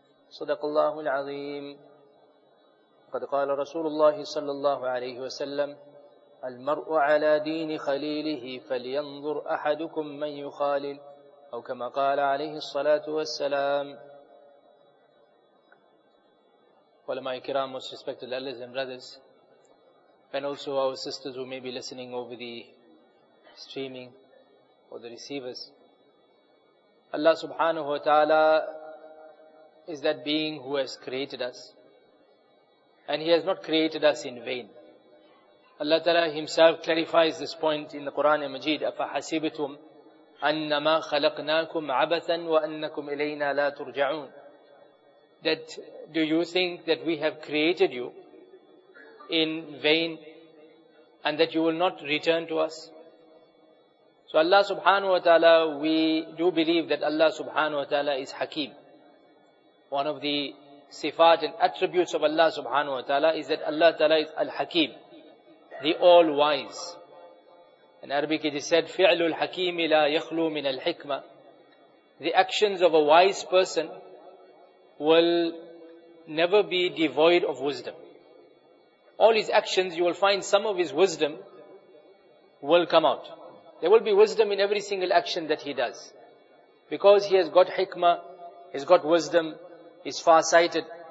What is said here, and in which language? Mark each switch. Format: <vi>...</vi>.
<ar>صدق الله العظيم. قد قال رسول الله صلى الله عليه وسلم: المرء على دين خليله، فلينظر أحدكم من يخالل. أو كما قال عليه الصلاة والسلام. علماء الكرام،</ar> <en>most respected elders and brothers, and also our sisters who may be listening over the streaming or the receivers, Allah subhanahu wa ta'ala is that being who has created us, and He has not created us in vain. Allah ta'ala Himself clarifies this point in the Quran al-Majeed:</en> <ar>أَفَحَسِبْتُمْ أَنَّمَا خَلَقْنَاكُمْ عَبَثًا وَأَنَّكُمْ إِلَيْنَا لَا تُرْجَعُونَ.</ar> <en>That do you think that we have created you in vain and that you will not return to us? So Allah subhanahu wa ta'ala, we do believe that Allah subhanahu wa ta'ala is Hakim. One of the sifat and attributes of Allah subhanahu wa ta'ala is that Allah ta'ala is Al-Hakim, the All-Wise. In Arabic it is said,</en> <ar>فِعْلُ الْحَكِيمِ لَا يَخْلُو مِنَ الْحِكْمَةِ.</ar> <en>The actions of a wise person will never be devoid of wisdom. All his actions, you will find some of his wisdom will come out. There will be wisdom in every single action that he does, because he has got hikmah, he's got wisdom, he's far-sighted.</en>